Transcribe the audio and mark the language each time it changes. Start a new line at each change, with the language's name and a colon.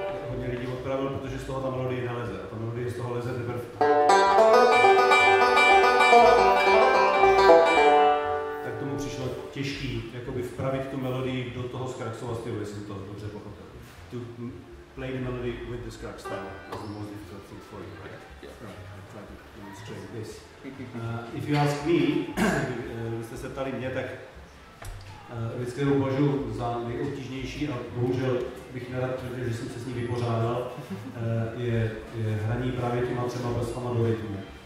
Czech: Hodně lidí odpravil, protože z toho ta melodie neleze. A ta melodie z toho leze teprve. Těžký jakoby vpravit tu melodii do toho Scruggsova stylu, jestli to dobře pochopil.
English: To play the melody with the Scruggs style is the most difficult thing for you, right? Yeah. Right. I try to demonstrate this. If you ask me,
Czech: vy jste se ptali mě, tak věc, kterou považuji za nejobtížnější a bohužel bych nerad tvrdil, že jsem se s ní vypořádal, je hraní právě těma třema vrstvama do rytmu.